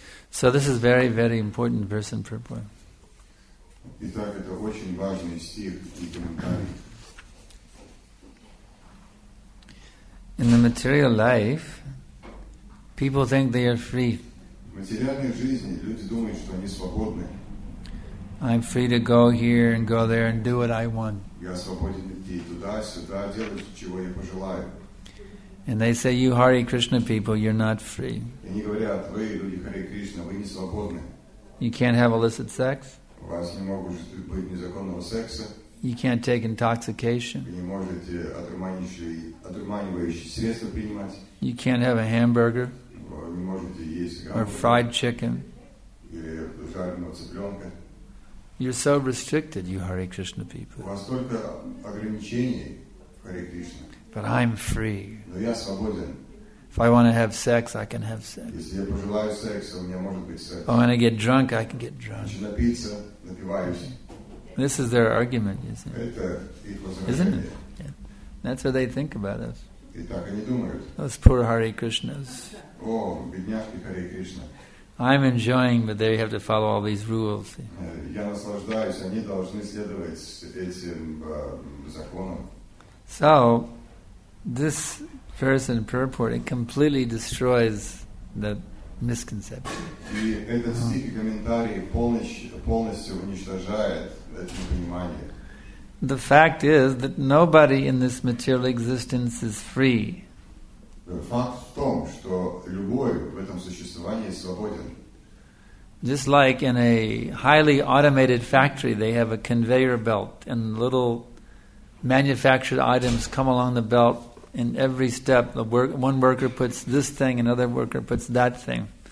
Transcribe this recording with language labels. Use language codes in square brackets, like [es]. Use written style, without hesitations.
[en] So this is very, very important verse in Purport. [ru] Итак, это очень важный стих и комментарий. [en] In the material life, people think they are free. [ru] В материальной жизни люди думают, что они свободны. [en] I'm free to go here and go there and do what I want. [ru] Я свободен идти туда, сюда, делать, чего я пожелаю. [en] And they say, you Hare Krishna people, you're not free. [ru] И они говорят, вы, люди Hare Krishna, вы не свободны. [en] You can't have illicit sex. [ru] У вас не может быть незаконного секса. [en] You can't take intoxication. [ru] Вы не можете одурманивающие средства принимать. [en] You can't have a hamburger. [ru] Вы не можете есть гамбургер. [en] Or fried chicken. [ru] Или жареного цыпленка. [en] You're so restricted, you Hare Krishna people. [ru] У вас только ограничения, Hare Krishna. [en] But I'm free. [ru] Но я свободен. [en] If I want to have sex, I can have sex. [ru] Если я пожелаю секса, у меня может быть секс. [en] If I want to get drunk, I can get drunk. [ru] Если напиться, напиваюсь. [en] This is their argument, you see. [ru] Это их возражение. [en] Isn't it? Yeah. That's what they think about us. [ru] И так они думают. [en] Those poor Hare Krishnas. [ru] О, бедняжки Hare Krishna. [en] I'm enjoying, but they have to follow all these rules. [ru] Я наслаждаюсь, они должны следовать этим законам. [en] So, this verse in purport, it completely destroys the misconception. [ru] И этот стих и комментарий полностью уничтожает это понимание. [en] The fact is that nobody in this material existence is free. [ru] Факт в том, что любой в этом существовании свободен. [en] Just like in a highly automated factory, they have a conveyor belt, and little manufactured items come along the belt, and every step, one worker puts this thing, another worker puts that thing.